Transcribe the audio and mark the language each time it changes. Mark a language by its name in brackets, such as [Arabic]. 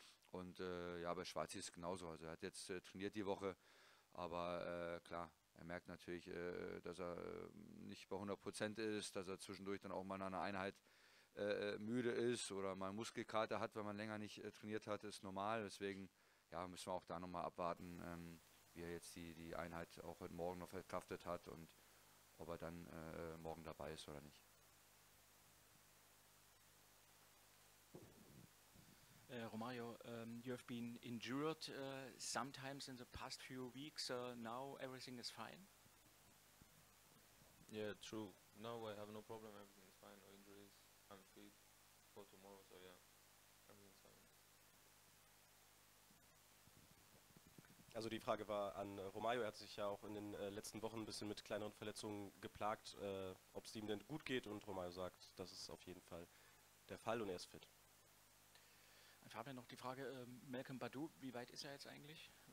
[German] Und ja, bei Schwarzi ist es genauso. Also er hat jetzt trainiert die Woche, aber klar, er merkt natürlich, dass er nicht bei 100% ist, dass er zwischendurch dann auch mal in einer Einheit müde ist oder mal Muskelkater hat, wenn man länger nicht trainiert hat, ist normal. Deswegen ja, müssen wir auch da nochmal abwarten, wie er jetzt die Einheit auch heute Morgen noch verkraftet hat und ob er dann morgen dabei ist oder nicht. [English] Romario, you have been injured sometimes in the past few weeks. Now everything is fine. Yeah, true. Now I have no problem. Everything is fine. No injuries. I'm fit for tomorrow. So yeah, everything is fine. [German] Also die Frage war an Romario. Er hat sich ja auch in den letzten Wochen ein bisschen mit kleineren Verletzungen geplagt. Ob es ihm denn gut geht und Romario sagt, das ist auf jeden Fall der Fall und er ist fit. Fabian, noch die Frage, Malcolm Badou, wie weit ist er jetzt eigentlich?